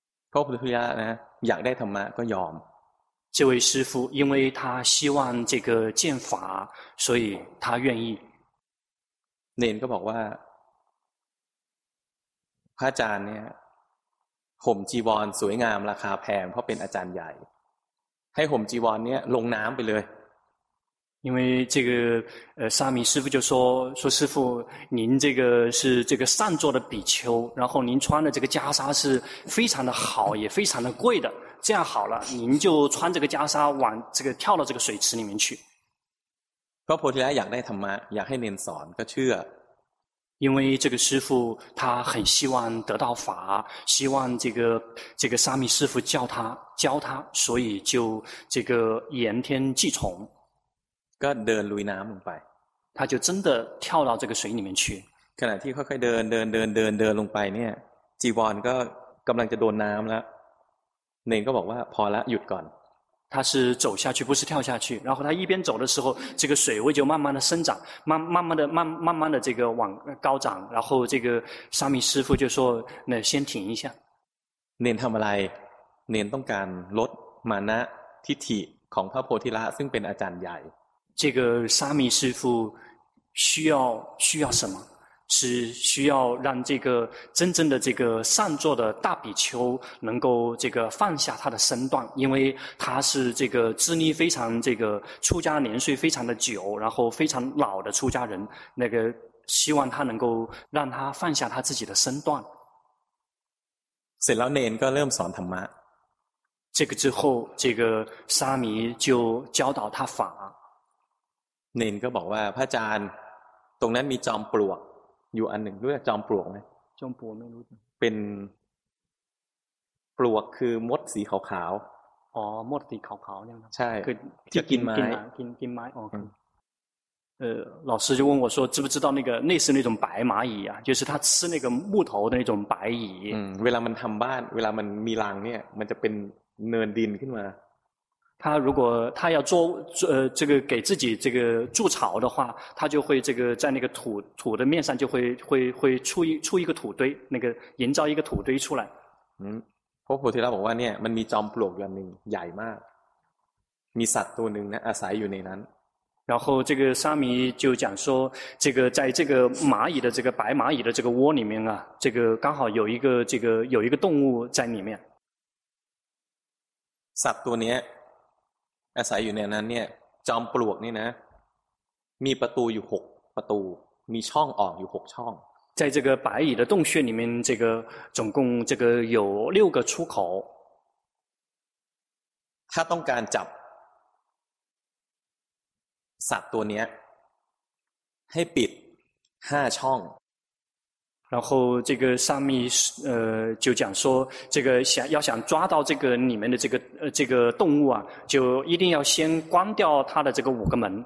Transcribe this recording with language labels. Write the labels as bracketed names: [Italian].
[Thai] พระพุทธเจ้านะอยากได้ธรรมะก็ยอม [Chinese] 这位师父因为他希望这个见法所以他愿意 [Thai] เนนก็บอกว่าพระอาจารย์เนี่ยห่มจีวรสวยงามราคาแพงเพราะเป็นอาจารย์ใหญ่ให้ห่มจีวรเนี่ยลงน้ำไปเลย [Chinese] 因为这个沙弥师父就说说师父您这个是这个善做的比丘然后您穿的这个袈裟是非常的好也非常的贵的这样好了您就穿这个袈裟往这个跳到这个水池里面去 [Thai] พระโพธิละอยากได้ธรรมะอยากให้เนนสอนก็เชื่อ [Chinese] 因为这个师父他很希望得到法希望这个沙弥师父教他所以就这个言听计从 [Thai] ก็เดินลุยน้ำลงไป [Chinese] 他就真的跳到这个水里面去 [Thai] ขณะที่ค่อยๆเดินลงไปเนี่ยจีวรก็กำลังจะโดนน้ำแล้วเนนก็บอกว่าพอละหยุดก่อน [Chinese] 他是走下去不是跳下去然后他一边走的时候这个水位就慢慢的生长慢慢的这个往高涨然后这个沙弥师父就说那先停一下 [Thai] 念ทำอะไร念ต้องการลดมานะทิฏฐิของพระโพธิละซึ่งเป็นอาจารย์ใหญ่ [Chinese] 这个沙弥师父需要什么是需要让这个真正的这个善坐的大比丘能够这个放下他的身段因为他是这个资历非常这个出家年岁非常的久然后非常老的出家人那个希望他能够让他放下他自己的身段 [Thai] เสร็จแล้วเนนก็เริ่มสอนธรรมะ [Chinese] 这个之后这个沙弥就教导他法 [Thai] เนนก็บอกว่าพระอาจารย์ตรงนั้นมีจอมปลวกอยู่อันหนึ่งรู้จักจอมปลวกไหม จอมปลวกไม่รู้ เป็นปลวกคือมดสีขาวๆ อ๋อมดสีขาวๆเนี่ย ใช่ คือที่กินไม้กินไม้โอเค [Chinese] 老师就问我说知不知道那个类似那种白蚂蚁啊就是它吃那个木头的那种白蚁 [Thai] เวลามันทำบ้านเวลามันมีรังเนี่ยมันจะเป็นเนินดินขึ้นมา [Chinese] 他如果他要做这个给自己这个筑巢的话他就会这个在那个土的面上就会出一个土堆那个营造一个土堆出来 [Thai] พระโพธิละบอกว่าเนี่ยมันมีจอมปลวกอย่างหนึ่งใหญ่มากมีสัตว์ตัวหนึ่งนะอาศัยอยู่ในนั้น [Chinese] 然后这个沙弥就讲说这个在这个蚂蚁的这个白蚂蚁的这个窝里面啊这个刚好有一个这个有一个动物在里面 [Thai] สัตว์ตัวเนี้ยอาศัยอยู่ในนั้นเนี่ยจอมปลวกนี่นะมีประตูอยู่6ประตูมีช่องออกอยู่6ช่อง [Chinese] 在这个白蚁的洞穴里面这个总共这个有6个出口 [Thai] ถ้าต้องการจับสัตว์ตัวเนี้ยให้ปิด5ช่อง [Chinese] 然后这个沙弥就讲说这个要想抓到这个里面的这个这个动物啊就一定要先关掉它的这个五个门